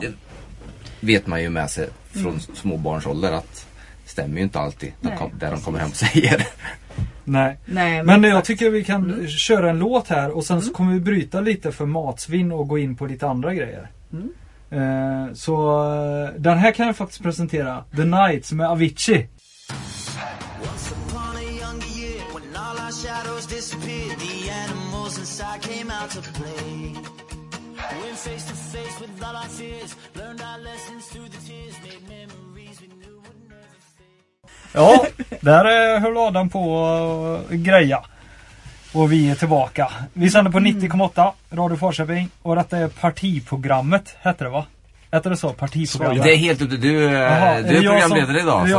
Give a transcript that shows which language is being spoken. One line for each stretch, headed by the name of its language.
Swedish: Det vet man ju med sig från småbarnsålder, att det stämmer ju inte alltid där de kommer hem och säger. Nej, men jag tycker vi kan köra en låt här och sen så kommer vi bryta lite för matsvinn och gå in på lite andra grejer. Så den här kan jag faktiskt presentera, The Night med Avicii.
English: Once upon a younger year, when all our shadows disappeared, the animals inside came out to play. Went face to face with all our fears, learned our lessons through the tears, made memories.
Swedish: Ja, där höll Adam på greja. Och vi är tillbaka. Vi sänder på 90,8 Radio Forsköping. Och detta är partiprogrammet, heter det va? Heter det så? Partiprogrammet. Det är helt ute. Du är programledare idag. Ja,